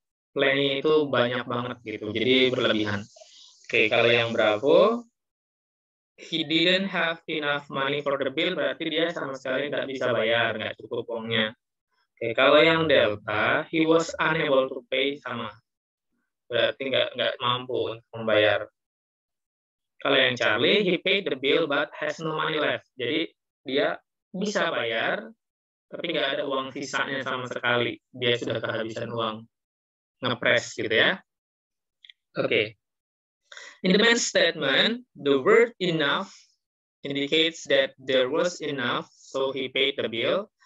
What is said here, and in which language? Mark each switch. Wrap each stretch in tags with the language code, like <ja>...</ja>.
<id>Plenty itu banyak banget gitu, jadi berlebihan. Oke, kalau yang bravo,</id> <en>he didn't have enough money for the bill,</en> <id>berarti dia sama sekali nggak bisa bayar, nggak cukup uangnya. Oke, kalau yang delta,</id> <en>he was unable to pay,</en> <id>sama. Berarti nggak mampu untuk membayar. Kalau yang</id> <en>Charlie, he paid the bill but has no money left.</en> <id>Jadi dia bisa bayar, tapi nggak ada uang sisanya sama sekali. Dia sudah kehabisan uang, ngepres gitu ya. Oke. Okay.</id> <en>In the main statement, the word enough indicates that there was enough, so he paid the bill.</en>